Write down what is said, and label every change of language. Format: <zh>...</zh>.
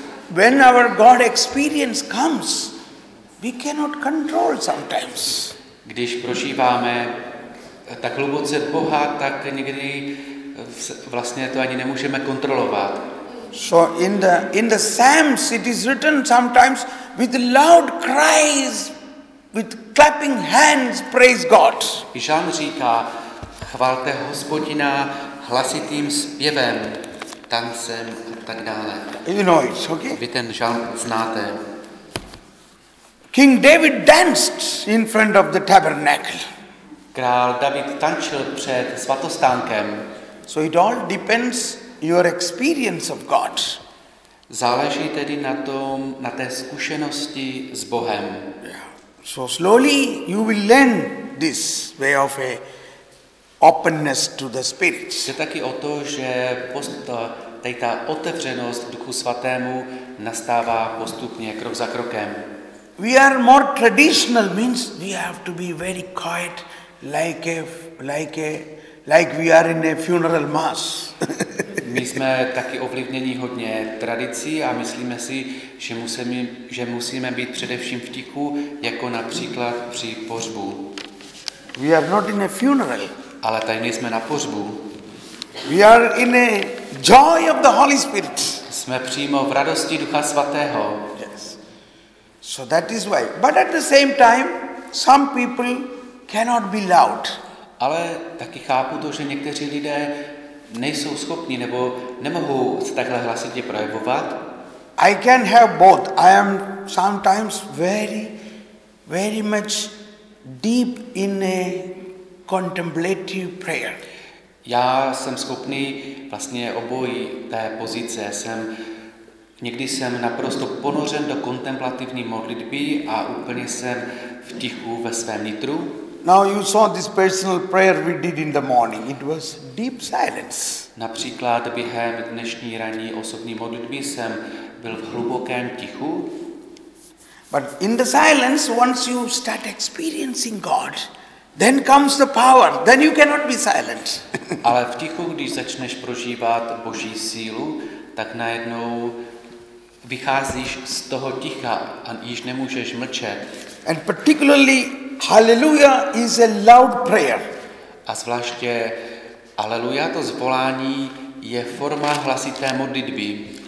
<en>When our God experience comes, we cannot control sometimes.</en> <cs>Když prožíváme tak hluboce Boha, tak někdy vlastně to ani nemůžeme kontrolovat.</cs> <en>So in the Psalms it is written sometimes with loud cries, with clapping hands, praise God.</en> <cs>Žalm říká, chvalte Hospodina hlasitým zpěvem, tancem a tak dále.</cs> <en>You know it, okay?</en> <cs>Vy ten žalm znáte.</cs> <en>King David danced in front of the tabernacle.</en> <cs>Král David tančil před svatostánkem.</cs> <en>So it all depends your experience of God.</en> <cs>Záleží tedy na tom, na té zkušenosti s Bohem.</cs> <en>Yeah. So slowly you will learn this way of a openness to the Spirit.</en> <cs>Je taky o to, že ta otevřenost Duchu Svatému nastává postupně krok za krokem.</cs> <en>We are more traditional, means we have to be very quiet, like we are in a funeral mass.</en> <cs>My jsme taky ovlivněni hodně tradicí a myslíme si, že musíme být především v tichu, jako například při pohřbu.</cs> <en>We are not in a funeral.</en> <cs>Ale tady nejsme na pohřbu.</cs> <en>We are in a joy of the Holy Spirit.</en> <cs>Jsme přímo v radosti Ducha Svatého.</cs> <en>Yes. So that is why. But at the same time, some people cannot be loud.</en> <cs>Ale taky chápu to, že někteří lidé nejsou schopni nebo nemohou se takhle hlasitě projevovat.</cs> <en>I can have both. I am sometimes very, very much deep in a contemplative prayer.</en> <cs>Já jsem schopný vlastně obojí té pozice. Někdy jsem naprosto ponořen do kontemplativní modlitby a úplně jsem v tichu ve svém nitru.</cs> <en>Now you saw this personal prayer we did in the morning. It was deep silence.</en> <cs>Například během dnešní ranní osobní modlitby jsem byl v hlubokém tichu.</cs> <en>But in the silence, once you start experiencing God, then comes the power, then you cannot be silent.</en> <cs>Ale v tichu, když začneš prožívat Boží sílu, tak najednou vycházíš z toho ticha a již nemůžeš mlčet.</cs> <en>And particularly hallelujah is a loud prayer.</en> <cs>A zvláště hallelujah, to zvolání, je forma hlasité modlitby.</cs>